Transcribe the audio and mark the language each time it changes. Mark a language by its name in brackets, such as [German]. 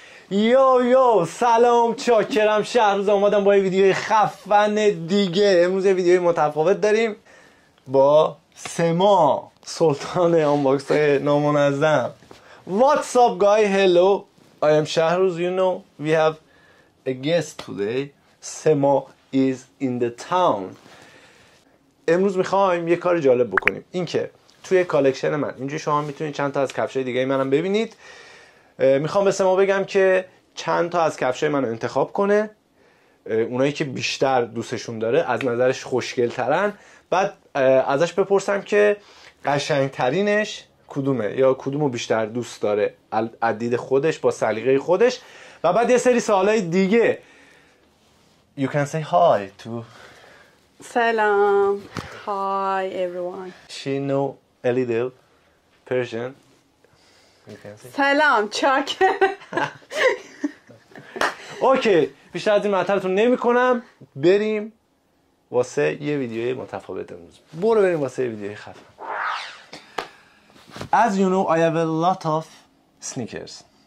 [Persian] یو یو سلام چاکرم شهرز اومدم با یه ویدیو خفن دیگه. امروز یه ویدیو متفاوت داریم با سما سلطان آنباکس های نامنظم. [English] What's up guys, hello, I am Shahrez. You know we have a guest today, Sama is in the town. [Persian] امروز میخوایم یه کار جالب بکنیم، اینکه توی کالکشن من اینجا شما میتونید چند تا از کفشای دیگه منم ببینید. میخوام به سما بگم که چند تا از کفشای منو انتخاب کنه، اونایی که بیشتر دوستشون داره، از نظرش خوشگل ترن، بعد ازش بپرسم که قشنگ ترینش کدومه یا کدومو بیشتر دوست داره از دید خودش با سلیقه خودش، و بعد یه سری سوالای دیگه. [English] You can say hi to. سلام. Hi everyone. She know a little Persian. [Persian] سلام چاکر. اوکی، بیشتر از این معطلتون نمی کنم، بریم واسه یه ویدیوی متفاوت. امروز برو بریم واسه یه ویدیوی خفن. [English] As you know, I have a lot of sneakers.